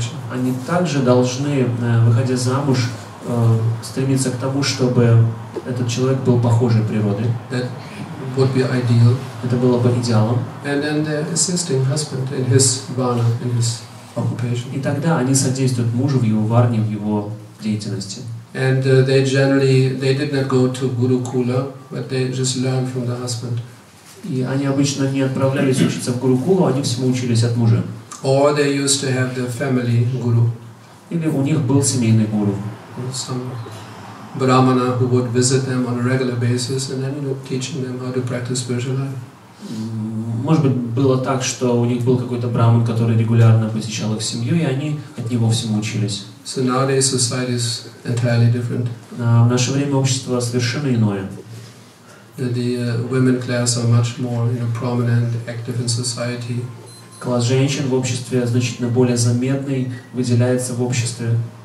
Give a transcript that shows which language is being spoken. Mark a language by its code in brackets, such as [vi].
[ru] Они также должны, выходя замуж, стремиться к тому, чтобы этот человек был похожей природой. [en] That would be ideal. [ru] Это было бы идеалом. [en] And then the assisting husband in his vana, in his occupation. [ru] И тогда они содействуют мужу в его варне, в его деятельности. [en] And they generally they did not go to Gurukula, but they just learned from the husband. [ru] И они обычно не отправлялись учиться в Гурукулу, они всему учились от мужа. [en] Or they used to have their family guru. [ru] Или у них был семейный гуру. [en] Some brahmana who would visit them on a regular basis and then, you know, teaching them how to practice spiritual life. [ru] Может быть, было так, что у них был какой-то брахман, который регулярно посещал их семью, и они от него всему учились. [en] So nowadays society is entirely different. [ru] В наше время общество совершенно иное. [en] The women class are much more, you know, prominent, active in society. [ru] Класс женщин в обществе значительно более заметный, выделяется в обществе.